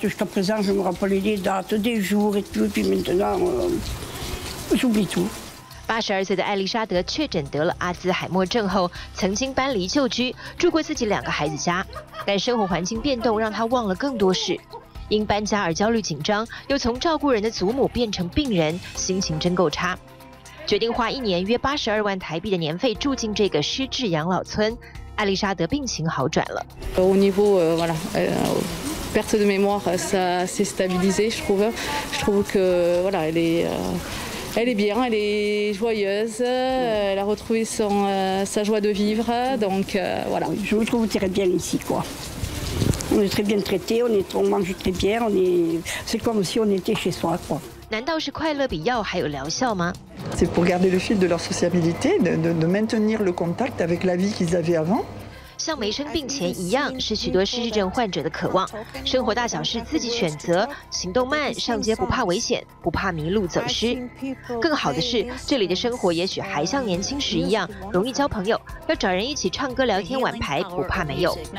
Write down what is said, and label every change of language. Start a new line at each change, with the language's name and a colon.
French: Jusqu'à présent, je me rappelais des dates, des jours et tout. Puis maintenant, j'oublie tout.
Chinese: 82岁的艾丽莎德确诊得了阿兹海默症后，曾经搬离旧居，住过自己两个孩子家，但生活环境变动让她忘了更多事。因搬家而焦虑紧张，又从照顾人的祖母变成病人，心情真够差。决定花一年约82万台币的年费住进这个失智养老村，艾丽莎德病情好转了。
French: Au niveau, voilà, perte de mémoire, ça s'est stabilisé, je trouve que, voilà, elle est bien, elle est joyeuse, elle a retrouvé sa joie de vivre, donc voilà. Je me trouve très bien ici, quoi. On est très bien traité, on mange très bien, c'est comme si on était chez soi, quoi.
Chinese: 难道是快乐比药还有疗效吗？
French: C'est pour garder le fil de leur sociabilité, de maintenir le contact avec la vie qu'ils avaient avant.
Chinese: 像没生病前一样，是许多失智症患者的渴望。生活大小事自己选择，行动慢，上街不怕危险，不怕迷路走失。更好的是，这里的生活也许还像年轻时一样，容易交朋友，要找人一起唱歌、聊天、玩牌，不怕没有。